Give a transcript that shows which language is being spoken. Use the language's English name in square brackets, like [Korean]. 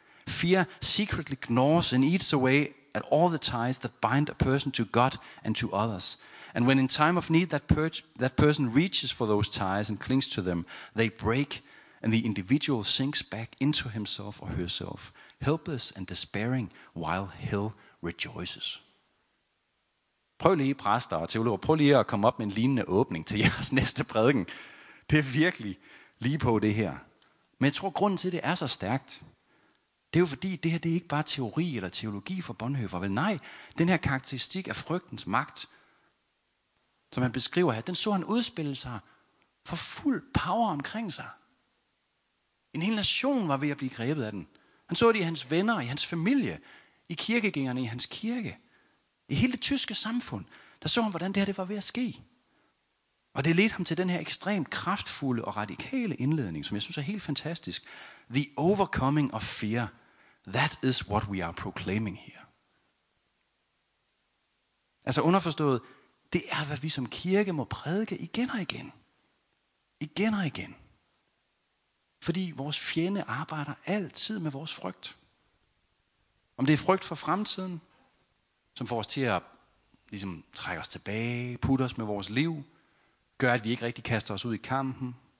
[English] Fear secretly gnaws and eats away at all the ties that bind a person to God and to others. And when in time of need that person reaches for those ties and clings to them, they break and the individual sinks back into himself or herself, helpless and despairing, while hell rejoices. [Danish] Prøv lige, præster og teologer, prøv lige at komme op med en lignende åbning til jeres næste prædiken. Det er virkelig lige på det her. Men jeg tror, grunden til, det er så stærkt, det er jo fordi, det her det er ikke bare teori eller teologi for Bonhoeffer. Vel nej, den her karakteristik af frygtens magt, som han beskriver her, den så han udspille sig for fuld power omkring sig. En hel nation var ved at blive grebet af den. Han så det i hans venner, i hans familie, i kirkegængerne, i hans kirke, i hele det tyske samfund. Der så han, hvordan det her det var ved at ske. Og det ledte ham til den her ekstremt kraftfulde og radikale indledning, som jeg synes er helt fantastisk. [English] The overcoming of fear, that is what we are proclaiming here. [Danish] Altså underforstået, det er, hvad vi som kirke må prædike igen og igen. Igen og igen. Fordi vores fjende arbejder altid med vores frygt. Om det er frygt for fremtiden, som får os til at ligesom trække os tilbage, putte os med vores liv, gør, at vi ikke rigtig kaster os ud i kampen.